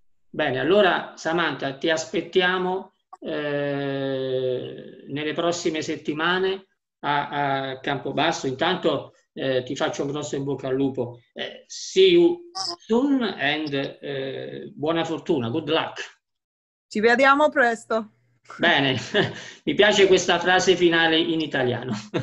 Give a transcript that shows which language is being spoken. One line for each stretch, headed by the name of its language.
Italian: Bene, allora Samantha, ti aspettiamo nelle prossime settimane a Campobasso. Intanto ti faccio un grosso in bocca al lupo.
English: See you soon and
Italian: buona fortuna,
English: good luck.
Italian: Ci vediamo presto. Bene, mi piace questa frase finale in italiano.